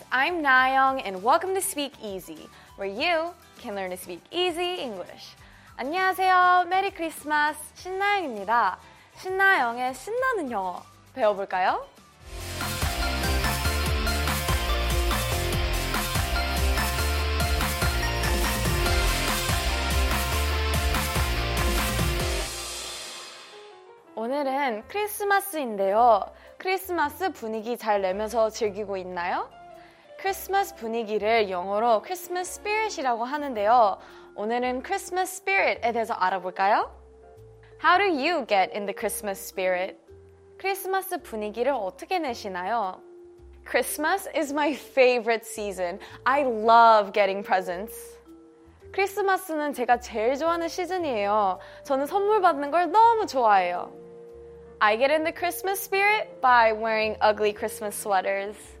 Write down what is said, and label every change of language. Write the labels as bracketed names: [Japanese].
[English] I'm Nayoung and welcome to Speak Easy, where you can learn to speak easy English. [Korean] 안녕하세요, [English] Merry Christmas, [Korean] 신나영입니다. 신나영의 신나는 영어 배워볼까요? 오늘은 크리스마스인데요. 크리스마스 분위기 잘 내면서 즐기고 있나요? 크리스마스 분위기를 영어로 Christmas spirit이라고 하는데요. 오늘은 Christmas spirit에 대해서 알아볼까요? [English] How do you get in the Christmas spirit? [Korean] 크리스마스 분위기를 어떻게 내시나요? [English] Christmas is my favorite season. I love getting presents. [Korean] 크리스마스는 제가 제일 좋아하는 시즌이에요. 저는 선물 받는 걸 너무 좋아해요. [English] I get in the Christmas spirit by wearing ugly Christmas sweaters.